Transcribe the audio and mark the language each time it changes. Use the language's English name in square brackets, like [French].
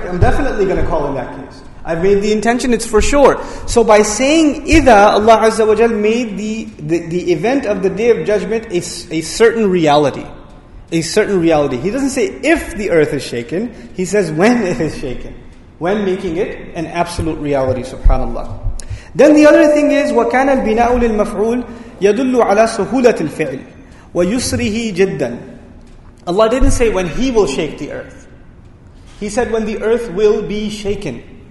[English] I'm definitely going to call in that case. I've made the intention, it's for sure. So by saying idha, Allah Azza wa Jal made the event of the Day of Judgment a certain reality. A certain reality. He doesn't say if the earth is shaken, he says when it is shaken. When making it an absolute reality, subhanAllah. Then the other thing is, [Arabic] وَكَانَ الْبِنَاءُ لِلْمَفْعُولِ يَدُلُّ عَلَى سُهُولَةِ الْفِعْلِ وَيُسْرِهِ جِدًّا. [English] Allah didn't say when He will shake the earth. He said when the earth will be shaken.